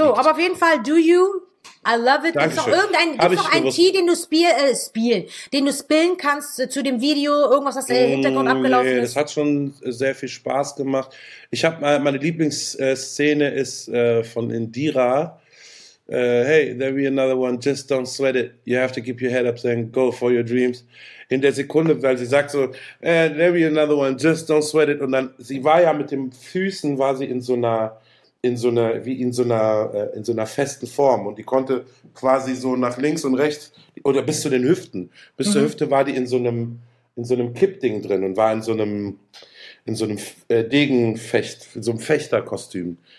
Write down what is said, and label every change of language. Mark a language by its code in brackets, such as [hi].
[de] Aber auf jeden Fall, [en] Do You, I Love It. [de] Dankeschön. Gibt es noch einen Tee, den du spielen kannst zu dem Video, irgendwas, das im Hintergrund abgelaufen ist? Das hat schon sehr viel Spaß gemacht. Ich habe meine Lieblingsszene ist von Indira. [en] Hey, there be another one, just don't sweat it. You have to keep your head up and go for your dreams. [de] In der Sekunde, weil sie sagt so, [en] there be another one, just don't sweat it. [de] Und dann, sie war ja mit den Füßen, war sie in so einer festen Form. Und die konnte quasi so nach links und rechts, oder bis zu den Hüften. Bis zur Hüfte war die in so einem Kippding drin und war in so einem Fechterkostüm.